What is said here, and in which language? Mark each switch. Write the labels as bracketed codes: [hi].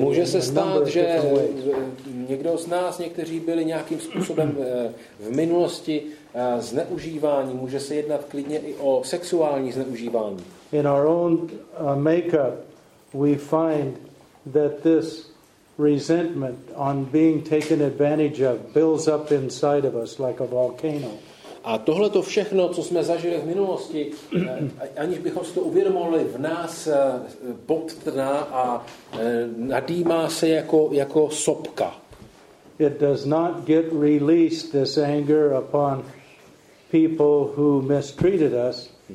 [cs] Může se stát, že někdo z nás, někteří byli nějakým způsobem v minulosti zneužívání, může se jednat klidně i o sexuální zneužívání. [en] In our own makeup, we find that this resentment on being taken advantage of builds up inside of us like a volcano. [cs] A tohle to všechno, co jsme zažili v minulosti, aniž bychom si to uvědomovali, v nás podtrná a nadýmá se jako sopka. [en] It does not get released, this anger, upon people who mistreated us.